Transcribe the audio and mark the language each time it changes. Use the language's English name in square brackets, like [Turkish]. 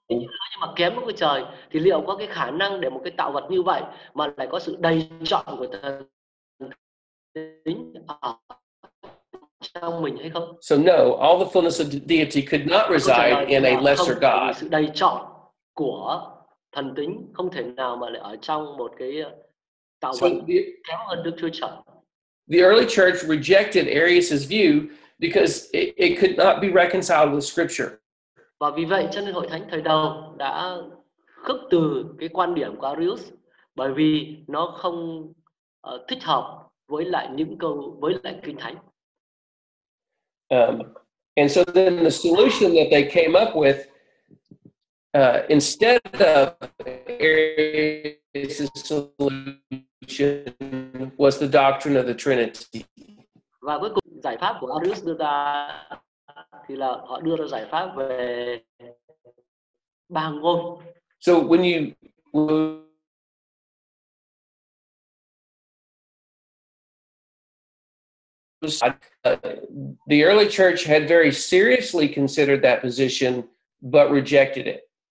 [Vietnamese] Nhưng mà kém Đức Chúa Trời thì liệu có cái khả năng để một cái tạo vật như vậy mà lại có sự đầy trọn của thần tính ở trong mình hay không? [English] So no, all the fullness of deity could not reside in a lesser god. [Vietnamese] Sự đầy trọn của thần tính không thể nào mà lại ở trong một cái tạo vật kém hơn Đức Chúa Trời. [English] The early church rejected Arius's view because it could not be reconciled with scripture. [Vietnamese] Và vì vậy cho nên hội thánh thời đầu đã khước từ cái quan điểm của Arius, bởi vì nó không thích hợp với lại những câu với lại kinh thánh. [English] And so then the solution that they came up with instead of Arius' solution was the doctrine of the Trinity. [Vietnamese] Và cuối cùng giải pháp của Arius đưa ra thì là họ đưa ra giải pháp về ba ngôn. [English] So when you the early church had very seriously considered that position but rejected it.